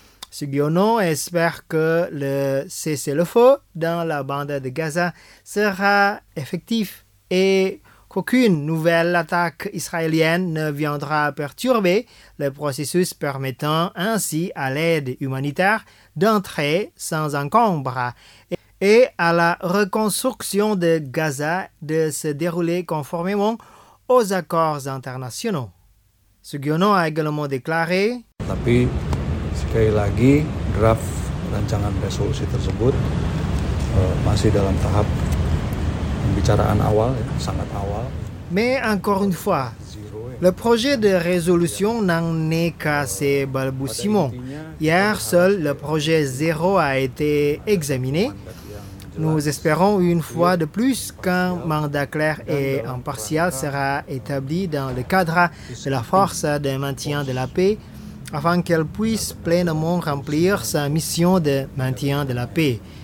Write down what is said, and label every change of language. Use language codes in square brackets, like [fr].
[fr] Sugiono espère que le cessez-le-feu dans la bande de Gaza sera effectif et qu'aucune nouvelle attaque israélienne ne viendra perturber le processus permettant ainsi à l'aide humanitaire d'entrer sans encombre et à la reconstruction de Gaza de se dérouler conformément aux accords internationaux. Sugiono a également déclaré [id] sekali lagi draft rancangan resolusi tersebut masih dalam tahap pembicaraan awal, sangat awal. [fr] Mais encore une fois, le projet de résolution n'en est qu'à ses balbutiements. Hier seul, le projet zéro a été examiné. Nous espérons une fois de plus qu'un mandat clair et impartial sera établi dans le cadre de la force de maintien de la paix afin qu'elle puisse pleinement remplir sa mission de maintien de la paix.